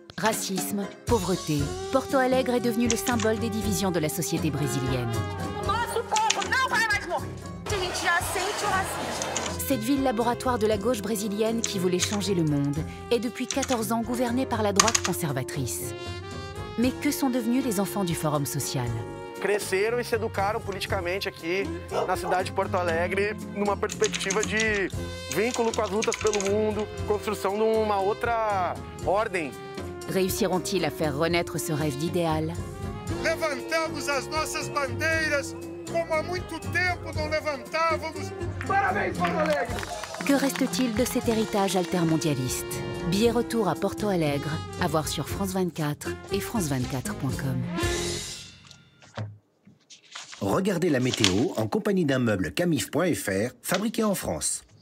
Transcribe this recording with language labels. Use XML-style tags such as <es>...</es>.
<fr>Racisme, pauvreté, Porto Alegre est devenu le symbole des divisions de la société brésilienne. Cette ville laboratoire de la gauche brésilienne qui voulait changer le monde est depuis 14 ans gouvernée par la droite conservatrice. Mais que sont devenus les enfants du Forum social?</fr> <pt>Cresceram e se educaram politicamente aqui na cidade de Porto Alegre numa perspectiva de vínculo com as lutas pelo mundo, construção de uma outra ordem.</pt> <fr>Réussiront-ils à faire renaître ce rêve d'idéal?</fr> <pt>Levantamos as nossas bandeiras como há muito tempo não levantávamos. Parabéns, Porto Alegre!</pt> <fr>Que reste-t-il de cet héritage altermondialiste? Billet retour à Porto Alegre, à voir sur France 24 et France24.com. Regardez la météo en compagnie d'un meuble Camif.fr, fabriqué en France.</fr>